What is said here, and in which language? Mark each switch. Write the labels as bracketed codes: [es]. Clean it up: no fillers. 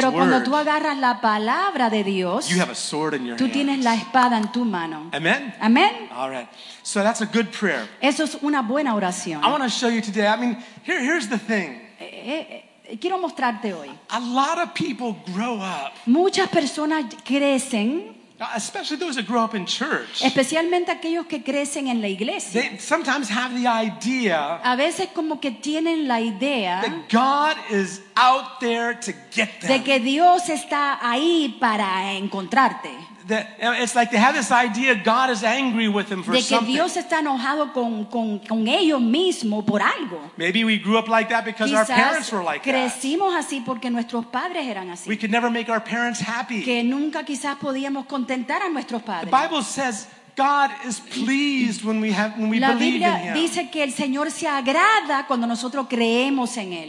[es] pero cuando tú agarras la palabra de Dios, [en] you have a sword in your hands. [es] Tú tienes la espada en tu mano. [en] Amen. Amen. All right. So that's a good prayer. [es] Eso es una buena oración. [en] I want to show you today. I mean, here's the thing. [es] Quiero mostrarte hoy. [en] A lot of people grow up. [es] Muchas personas crecen. [en] Especially those that grow up in church. [es] Especialmente aquellos que crecen en la iglesia. [en] They sometimes have the idea. [es] A veces como que tienen la idea. [en] That God is out there to get them. [es] De que Dios está ahí para encontrarte. [en] That it's like they have this idea God is angry with them for something. [es] De que Dios está enojado con ellos mismos por algo. [en] Maybe we grew up like that because [es] quizás [en] our parents were like [es] crecimos [en] that. [es] Así porque nuestros padres eran así. [en] We could never make our parents happy. [es] Que nunca quizás podíamos contentar a nuestros padres. [en] The Bible says God is pleased when we believe in Him. La [es] Biblia dice que el Señor se agrada cuando nosotros creemos en él.